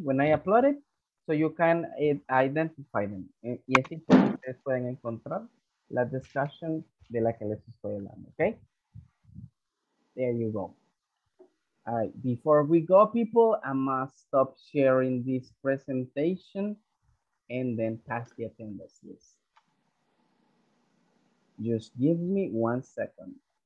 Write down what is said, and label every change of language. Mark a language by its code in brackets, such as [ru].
[en] When I upload it, so you can identify them. [es] Y así ustedes pueden encontrar la discussion de la que les estoy hablando, okay? [en] There you go. All right, before we go, people, I must stop sharing this presentation and then pass the attendance list. Just give me 1 second.